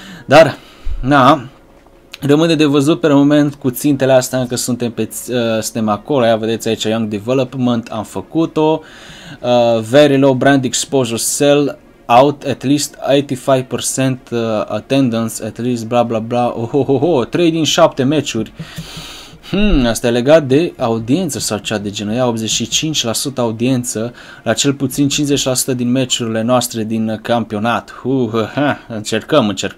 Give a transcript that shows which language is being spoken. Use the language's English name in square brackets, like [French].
[Romanian] Dar, na... Rămâne de văzut pe moment cu țintele astea, încă suntem, suntem acolo. Ia vedeți aici, Young Development, am făcut-o. [English] Very low brand exposure, sell out at least 85% attendance, at least bla bla bla. [Romanian] Trei din 7 meciuri. Asta e legat de audiență sau cea de genul. Ia 85% audiență la cel puțin 50% din meciurile noastre din campionat. Încercăm.